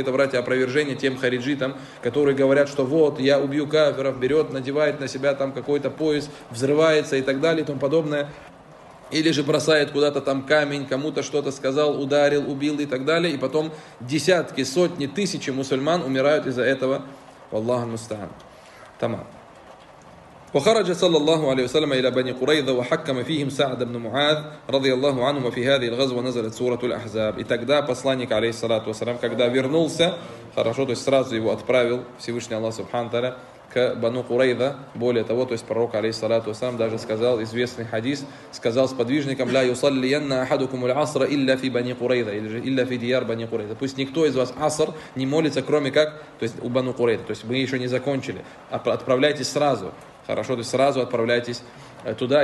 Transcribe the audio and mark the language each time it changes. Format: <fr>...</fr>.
<ru>И это, братья, опровержение тем хариджитам, которые говорят, что вот, я убью кафиров, берет, надевает на себя там какой-то пояс, взрывается и так далее и тому подобное. Или же бросает куда-то там камень, кому-то что-то сказал, ударил, убил и так далее. И потом десятки, сотни, тысячи мусульман умирают из-за этого.</ru> <ar>Валлаху мустаан. Тамам. وخرج صلى الله عليه وسلم إلى بني قريظة وحكم فيهم سعد بن معاذ رضي الله عنه وفي هذه الغزوة نزلت سورة الأحزاب.</ar> <ru>И тогда посланник, алейхиссалату вассалям, когда вернулся, хорошо, то есть сразу его отправил Всевышний Аллах Субхану Тааля к бану Курайза. Более того, то есть пророк, алейхиссалату вассалям, даже сказал известный хадис, сказал сподвижникам:</ru> <ar>«Ля юсаллиянна ахадукум аль-асра илля фи бани Курайза»,</ar> <ru>или же</ru> <ar>«илля фи дияр бани Курайза».</ar> <ru>Пусть никто из вас аср не молится, кроме как, то есть у бану Курайза. То есть мы еще не закончили. Отправляйтесь сразу. Хорошо, то есть сразу отправляйтесь туда.</ru>